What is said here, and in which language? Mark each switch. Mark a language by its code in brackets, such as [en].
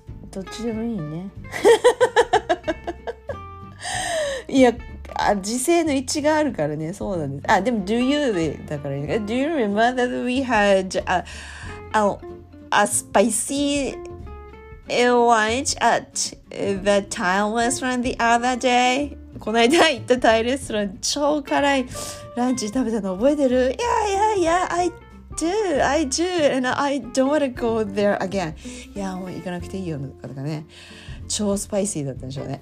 [ja] どっちでもいいねいや、あ、時制の位置があるからね、そうなんです。あ、でも [en] Do you [ja] だからいいのか。 [en] Do you remember that we had a spicy lunch at the Thai restaurant the other day? [ja] この間行ったタイレストラン超辛いランチ食べたの覚えてる？ [en] Yeah, yeah, yeah, I do, and I don't want to go there again. [ja] いや、もう行かなくていいよとかね。超スパイシーだったんでしょうね。